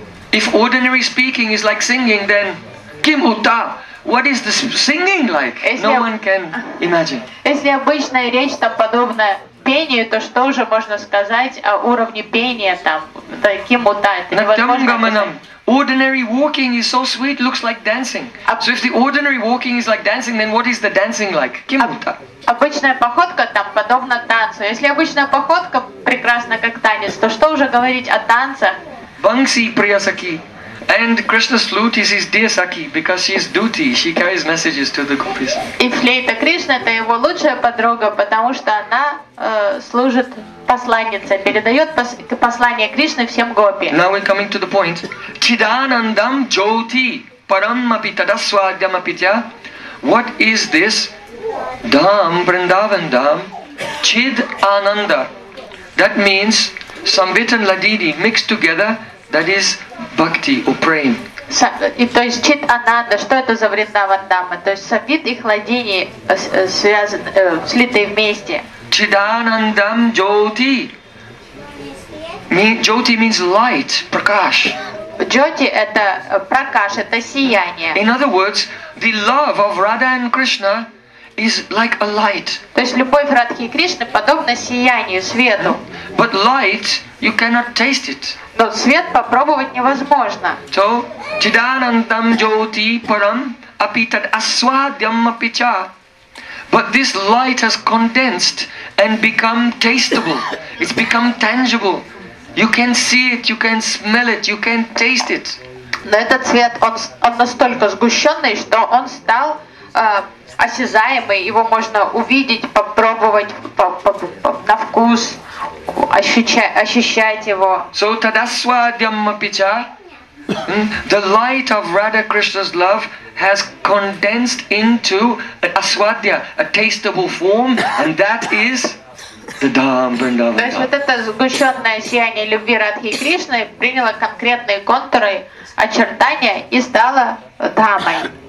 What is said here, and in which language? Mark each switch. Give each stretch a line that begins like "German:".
English: If ordinary speaking is like singing, then
Sanskrit: kim uta?
English: What is this singing like? No one can imagine.
Russian: Если обычная речь там подобна пению, то что же можно сказать о уровне пения там?
Sanskrit: Таким ута.
English: Натангаманам. Ordinary walking is so sweet, looks like dancing. So if the ordinary walking is like dancing, then what is the dancing like?
Sanskrit: Kim uta?
Russian: Обычная походка там подобна танцу. Если обычная походка прекрасна как танец, то что уже говорить о танцах?
Sanskrit: Bansi priyasaki.
English: And Krishna's flute is his dear sakhi, because she is duty. She carries messages to the gopis.
Russian: И флейта Кришна — это его лучшая подруга, потому что она служит посланницей, передает послание Кришны всем гопи.
English: Now we're coming to the point.
Sanskrit: Chidanandam jyoti parammapi tadasvadyamapitya.
English: What is this? Dham, Vrindavan dham, chidananda. That means Samvit and Ladini mixed together. That is bhakti or praying.
Russian: И то есть чит ананда, что это за Вриндаван дама? То есть Самвит и Хладини связаны, слиты вместе.
Sanskrit: Чиданандам джоти. Джоти
English: means light,
Sanskrit: прокаш.
Russian: Джоти — это прокаш, это сияние.
English: In other words, the love of Radha and Krishna is like a light.
Russian: То есть любовь Радхи и Кришны подобна сиянию, свету.
English: But light, you cannot taste it.
Russian: Но свет попробовать невозможно.
Sanskrit: So, chidanandam jyoti param api tad aswadyam api cha.
English: But this light has condensed and become tasteable. It's become tangible. You can see it, you can smell it, you can taste it.
Russian: Но этот свет, он настолько сгущенный, что он стал осязаемый, его можно увидеть, попробовать на вкус, ощущать его.
English: So
Sanskrit: tadasvadyam apicha,
English: the light of Radha Krishna's love has condensed into aswadya, a tasteable form, and that is the dham, Vrindavan.
Russian: То есть вот это сгущенное сияние любви Радхи Кришны приняло конкретные контуры, очертания и стало дхамой.